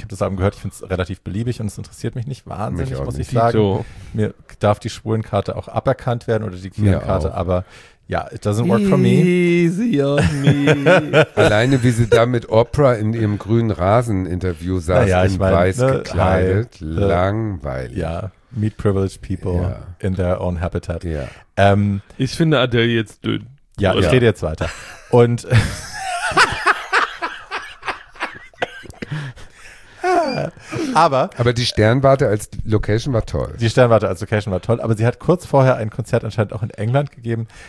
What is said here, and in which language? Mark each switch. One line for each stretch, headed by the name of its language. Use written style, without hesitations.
German: Ich habe das Album gehört, ich finde es relativ beliebig und es interessiert mich nicht wahnsinnig, mich auch muss nicht. Ich sagen. Dito. Mir darf die Schwulenkarte auch aberkannt werden oder die Queerenkarte, aber ja,
English: it doesn't work for me. Easy on me.
German: Alleine, wie sie da mit Oprah in ihrem grünen Rasen-Interview saß, ja, in weiß gekleidet, langweilig. Ja,
English: meet privileged people in their own habitat.
German: Ja. Ich finde Adele jetzt dünn. Ja, ich rede jetzt weiter. Und aber die Sternwarte als Location war toll. Die Sternwarte als Location war toll, aber sie hat kurz vorher ein Konzert anscheinend auch in England gegeben.